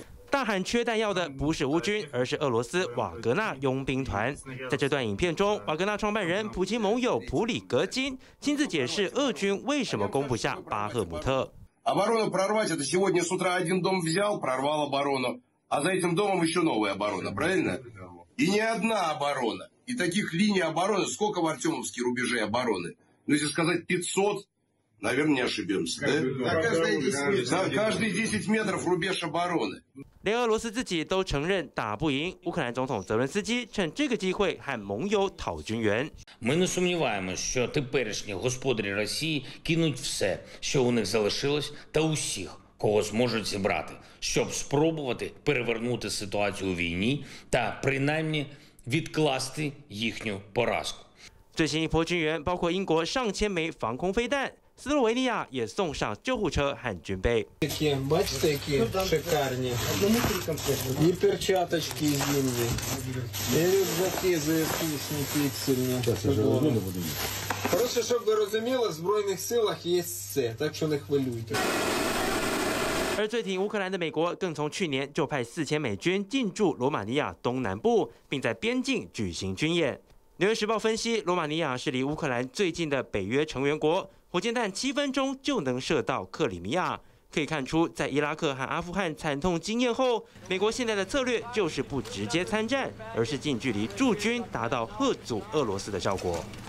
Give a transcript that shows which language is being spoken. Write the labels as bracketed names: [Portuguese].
[Chinese] 大喊缺弹药的不是乌军，而是俄罗斯瓦格纳佣兵团。在这段影片中，瓦格纳创办人普京盟友普里格金亲自解释俄军为什么攻不下巴赫姆特。 [Russian] оборону прорвать это сегодня с утра один дом взял, прорвал оборону, а за этим домом еще новая оборона, правильно? И не одна оборона, и таких линий обороны сколько в Артемовске рубежей обороны? Ну если сказать 500, наверное, не ошибемся, да? Каждые 10 метров рубеж обороны. [Chinese] 连俄罗斯自己都承认打不赢，乌克兰总统泽伦斯基趁这个机会和盟友讨军援。 [Ukrainian] Ми не сумніваємося, що теперішні господарі Росії кинуть все, що у них залишилось, та усіх, кого зможуть зібрати, щоб спробувати перевернути ситуацію у війні та принаймні відкласти їхню поразку. [Chinese] 最新一波军援包括英国上千枚防空飞弹。斯洛维尼亚也送上救护车和军备。 [Russian] Просто, чтобы вы понимали, в вооруженных силах есть все, так что [Ukrainian] не хвилюйтесь. [Chinese] 而最挺乌克兰的美国，更从去年就派4000美军进驻罗马尼亚东南部，并在边境举行军演。纽约时报分析，罗马尼亚是离乌克兰最近的北约成员国，火箭弹7分钟就能射到克里米亚。可以看出，在伊拉克和阿富汗惨痛经验后，美国现在的策略就是不直接参战，而是近距离驻军，达到吓阻俄罗斯的效果。